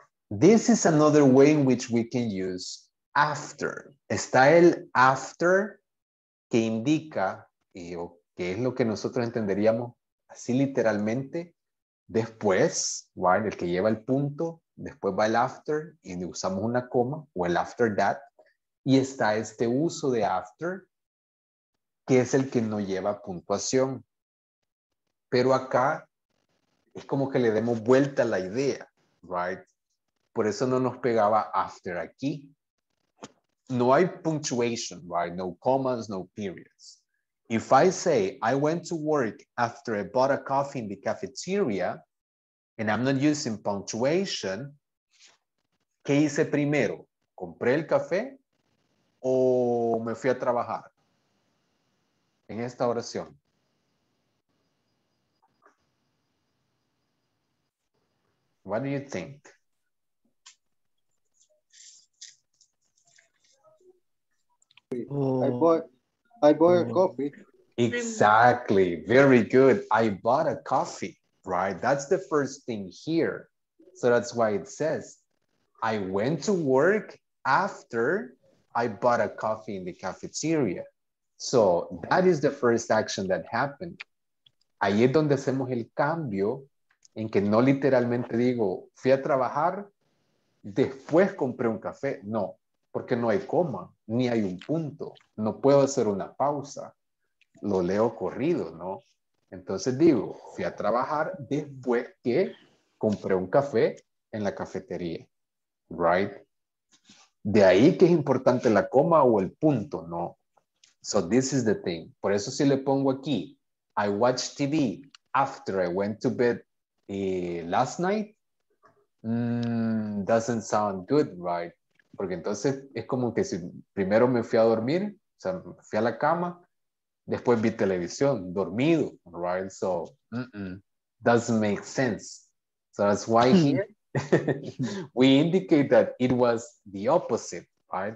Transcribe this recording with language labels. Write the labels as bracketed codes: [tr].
[en] This is another way in which we can use after. [es] Está el after que indica, ¿qué es lo que nosotros entenderíamos así literalmente? Después, right, el que lleva el punto, después va el after, y usamos una coma, o el after that, y está este uso de after, que es el que no lleva puntuación. Pero acá es como que le demos vuelta a la idea, right? Por eso no nos pegaba after aquí. No hay punctuation, right? [en] No commas, no periods. If I say, I went to work after I bought a coffee in the cafeteria, and I'm not using punctuation, [es] ¿qué hice primero? ¿Compré el café o me fui a trabajar? En esta oración. [en] What do you think? I bought a coffee. Exactly. Very good. I bought a coffee, right? That's the first thing here. So that's why it says, I went to work after I bought a coffee in the cafeteria. So that is the first action that happened. [es] Ahí es donde hacemos el cambio en que no literalmente digo, fui a trabajar, después compré un café. No, porque no hay coma, ni hay un punto. No puedo hacer una pausa. Lo leo corrido, ¿no? Entonces digo, fui a trabajar después que compré un café en la cafetería. Right? De ahí que es importante la coma o el punto, ¿no? [en] So this is the thing. [es] Por eso si le pongo aquí, [en] I watched TV after I went to bed last night, doesn't sound good, right? [es] Porque entonces es como que si primero me fui a dormir, o sea, fui a la cama, después vi televisión, dormido, right? [en] So, doesn't make sense. So that's why here we indicate that it was the opposite, right?